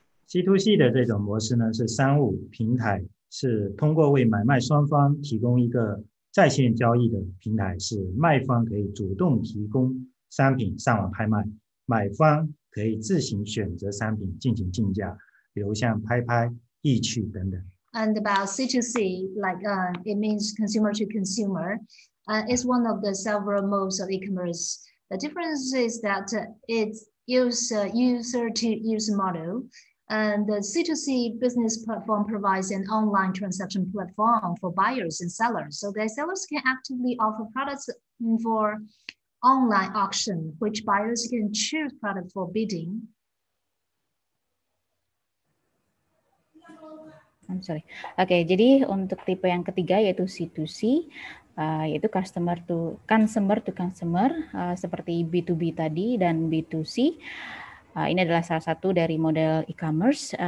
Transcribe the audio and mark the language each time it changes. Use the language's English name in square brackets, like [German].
[Chinese] C2C 的这种模式呢是商务平台，是通过为买卖双方提供一个在线交易的平台，是卖方可以主动提供商品上网拍卖，买方可以自行选择商品进行竞价，比如像拍拍、易趣等等。 [English] And about C2C, like it means consumer to consumer, it's one of the several modes of e-commerce. The difference is that it's user to user model. And the C2C business platform provides an online transaction platform for buyers and sellers. So the sellers can actively offer products for online auction, which buyers can choose product for bidding. I'm sorry. [Indonesian] Okay, jadi untuk tipe yang ketiga yaitu C2C, yaitu customer to consumer seperti B2B tadi dan B2C. Ini adalah salah satu dari model e-commerce.